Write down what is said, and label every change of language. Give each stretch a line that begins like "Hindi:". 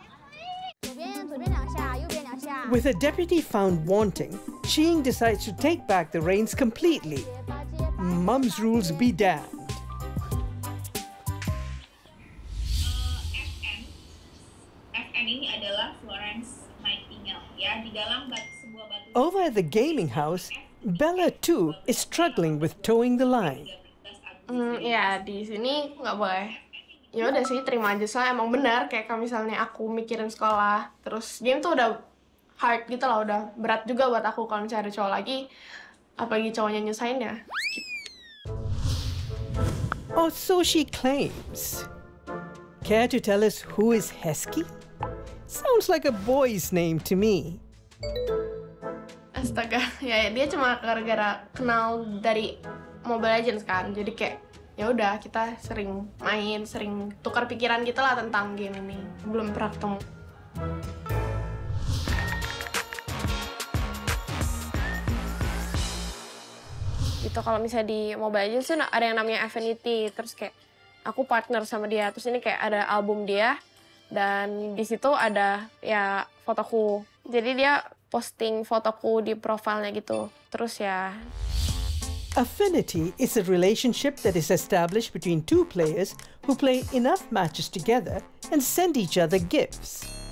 Chinese: 2点06到的，那么就比活动开始迟到了6分钟，所以以后就提早来，不迟到，提前准备好工作，啊，你回去就是总结一下自己的那个内容，我晚上会点评你。左边两下，右边两下。
English: With a deputy found wanting, Shi Ying decides to take back the reins completely. Mum's rules be damned.
Indonesian: Ini adalah Florence Nightingale ya di dalam sebuah batu.
English: Over at the gaming house, Bella too is struggling with towing the line.
Indonesian: Ya di sini nggak boleh. Ya udah sih terima aja soalnya emang benar kayak kalau misalnya aku mikirin sekolah terus game tuh udah hard gitu lah udah berat juga buat aku kalau cari cowok lagi apalagi cowoknya nyusahin ya.
English: Oh, so she claims. Care to tell us who is Hesky? Sounds like a boy's name to me.
Indonesian: Astaga, ya dia cuma gara-gara kenal dari Mobile Legends kan, jadi kayak ya udah kita sering main, sering tukar pikiran gitu lah tentang game ini. Belum pernah ketemu. Itu kalau misalnya di Mobile Legends tuh ada yang namanya Affinity, terus kayak aku partner sama dia, terus ini kayak ada album dia dan di situ ada ya fotoku. Jadi dia posting fotoku di profilnya gitu. Terus ya
English: Affinity is a relationship that is established between two players who play enough matches together and send each other gifts.